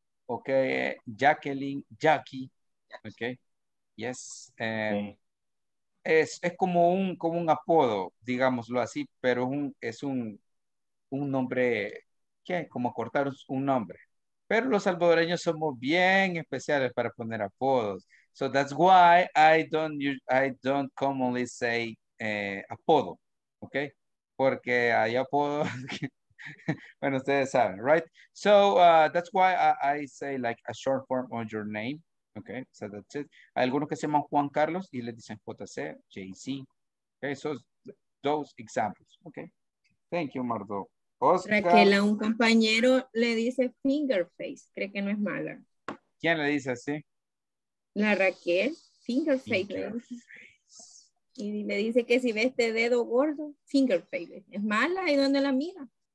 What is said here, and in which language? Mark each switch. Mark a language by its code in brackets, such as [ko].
[en] Okay, Jacqueline, Jackie. Okay. Yes. [es] Es como un apodo, digámoslo así, pero es un nombre, ¿qué? Como cortar un nombre. Pero los salvadoreños somos bien especiales para poner apodos. [en] So that's why I don't commonly say apodo, okay? [es] Porque hay apodos. Bueno, ustedes saben, [en] right? So that's why I say like a short form on your name, okay? So that's it. [es] Hay algunos que se llaman Juan Carlos y le dicen JC, JC. [en] Okay, so those examples, okay? Thank you, Mardo. [es] Oscar. Raquel, a un compañero le dice [en] finger face. [es] Cree que no es mala. ¿Quién le dice así? La Raquel. Finger face. Y le dice que si ve este dedo gordo, [en] finger face. [es] ¿Es mala? ¿Y dónde la mira?